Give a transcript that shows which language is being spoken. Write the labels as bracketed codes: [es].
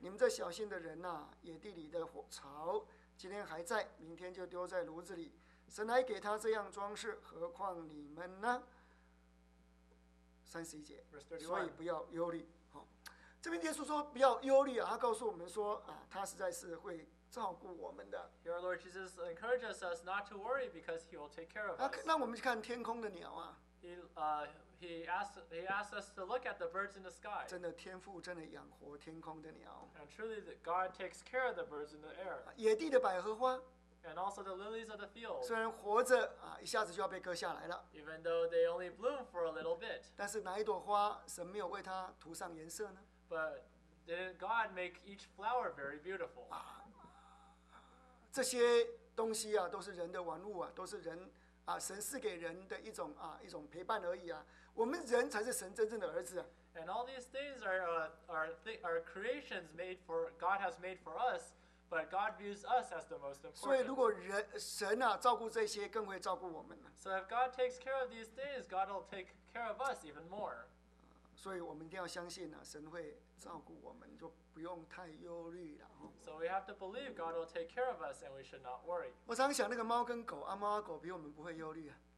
[zh] 你们这小心的人呐、啊，野地里的草，今天还在，明天就丢在炉子里。神来给他这样装饰，何况你们呢？三十一节，所以不要忧虑。这边耶稣说不要忧虑啊，他告诉我们说啊，他实在是会照顾我们的。 [en] Your Lord Jesus encourages us not to worry because He will take care of us. [zh] 那我们去看天空的鸟啊。 [en] He He asked us to look at the birds in the sky. [zh] 真的天父真的养活天空的鸟。 [en] And truly that God takes care of the birds in the air. [zh] 野地的百合花。 [en] And also the lilies of the field. [zh] 虽然活着啊，一下子就要被割下来了。 [en] Even though they only bloom for a little bit. [zh] 但是哪一朵花神没有为它涂上颜色呢？ [en] But did God make each flower very beautiful? [zh] 啊，这些东西啊，都是人的玩物啊，都是人。啊、神赐给人的一 种,、啊、一种陪伴而已、啊、我们人才是神真正的儿子、啊、 [en] And all these things are creations made for God has made for us, but God views us as the most important. [zh] 所以如果人神、啊、照顾这些，更会照顾我们。 [en] So if God takes care of these things, God will take care of us even more. [zh] 所以我们一定要相信、啊、神会照顾我们，就不用太忧虑了。 [en] So we have to believe God will take care of us, and we should not worry. [zh] 我常想那个猫跟狗，啊，猫啊狗比我们不会忧虑啊。